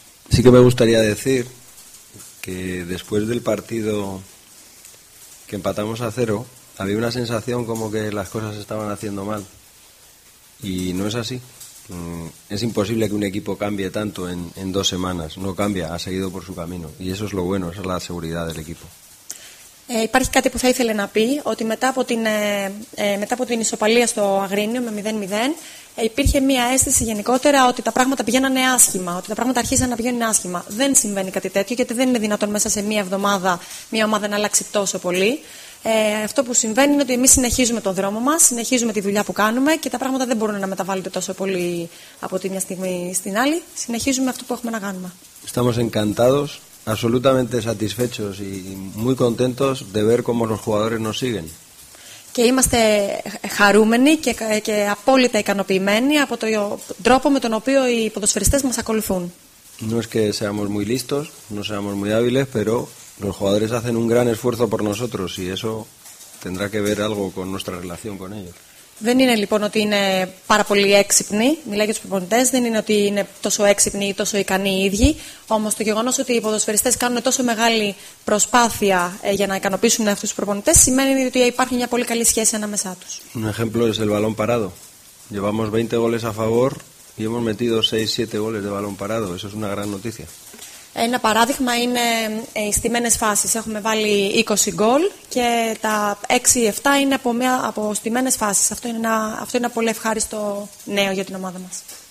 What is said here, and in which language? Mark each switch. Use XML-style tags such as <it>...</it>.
<es>Sí que me gustaría decir que después del partido que empatamos a cero había una sensación como que las cosas estaban haciendo mal. Y no es así. Es imposible que un equipo cambie tanto en dos semanas. No cambia, ha seguido por su camino. Y eso es lo bueno, esa es la seguridad del equipo.</es> <el>Υπάρχει κάτι που θα ήθελε να πει, ότι μετά από την ισοπαλία στο Αγρίνιο με 0-0, υπήρχε μία αίσθηση γενικότερα ότι τα πράγματα πηγαίνανε άσχημα, ότι τα πράγματα αρχίζαν να πηγαίνουν άσχημα. Δεν συμβαίνει κάτι τέτοιο, γιατί δεν είναι δυνατόν μέσα σε μία εβδομάδα μία ομάδα να αλλάξει τόσο πολύ. Αυτό που συμβαίνει είναι ότι εμείς συνεχίζουμε τον δρόμο μας, συνεχίζουμε τη δουλειά που κάνουμε και τα πράγματα δεν μπορούν να μεταβάλλονται τόσο πολύ από τη μια στιγμή στην άλλη. Συνεχίζουμε αυτό που έχουμε να κάνουμε.</el> <es>Estamos encantados, absolutamente satisfechos y muy contentos de ver cómo los jugadores nos siguen.</es> <el>Και είμαστε χαρούμενοι και απόλυτα ικανοποιημένοι από τον τρόπο με τον οποίο οι ποδοσφαιριστές μας ακολουθούν.</el> <es>No es que seamos muy listos, no seamos muy hábiles, pero los jugadores hacen un gran esfuerzo por nosotros y eso tendrá que ver algo con nuestra relación con ellos.</es> <el>Δεν είναι λοιπόν ότι είναι πάρα πολύ έξυπνοι, μιλάει για τους προπονητές, δεν είναι ότι είναι τόσο έξυπνοι ή τόσο ικανοί οι ίδιοι, όμως το γεγονός ότι οι ποδοσφαιριστές κάνουν τόσο μεγάλη προσπάθεια για να ικανοποιήσουν αυτούς τους προπονητές σημαίνει ότι υπάρχει μια πολύ καλή σχέση ανάμεσά τους.</el> <es>Un ejemplo es el balón parado. Llevamos 20 goles a favor y hemos metido 6-7 goles de balón parado. Eso es una gran noticia.</es> <el>Ένα παράδειγμα είναι οι στημένες φάσεις. Έχουμε βάλει 20 γκολ και τα 6-7 είναι από στημένες φάσεις. Αυτό είναι ένα πολύ ευχάριστο νέο για την ομάδα μας.</el>